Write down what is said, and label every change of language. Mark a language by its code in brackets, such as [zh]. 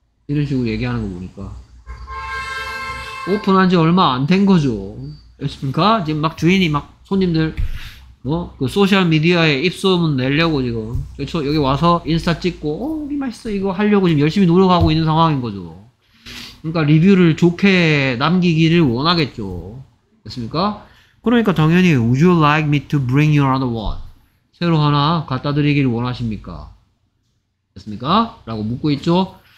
[ko] 이런 식으로 얘기하는 거 보니까 오픈한 지 얼마 안 된 거죠. 그렇습니까? 지금 막 주인이 막 손님들 뭐 그 소셜 미디어에 입소문 내려고 지금 그렇죠? 여기 와서 인스타 찍고 어 우리 맛있어 이거 하려고 지금 열심히 노력하고 있는 상황인 거죠. 그러니까 리뷰를 좋게 남기기를 원하겠죠. 그렇습니까? [en] 그러니까 당연히 Would you like me to bring you another one? [ko] 새로 하나 갖다 드리기를 원하십니까? 됐습니까? 라고 묻고 있죠.